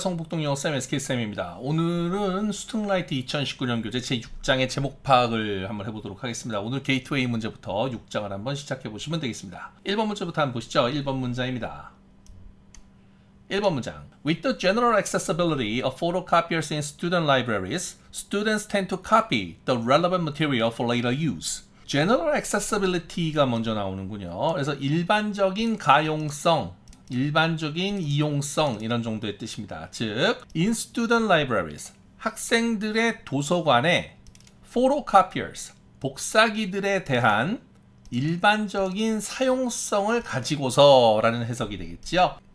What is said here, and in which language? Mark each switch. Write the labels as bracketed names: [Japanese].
[Korean] 성북동 영어쌤 SK쌤입니다. 오늘은 수능라이트 2019년 교재 제6장의 제목 파악을 한번 해보도록 하겠습니다. 오늘 게이트웨이 문제부터 6장을 한번 시작해 보시면 되겠습니다. 1번 문제부터 한번 보시죠. 1번 문장입니다. 1번 문장. [English] With the general accessibility of photocopiers in student libraries, students tend to copy the relevant material for later use. [Korean] General accessibility가 먼저 나오는군요. 그래서 일반적인 가용성, 일반적인 이용성 이런 정도의 뜻입니다. 즉, [English] in student libraries, [Korean] 학생들의 도서관에 photocopiers, 복사기들에 대한 일반적인 사용성을 가지고서라는 해석이 되겠지요.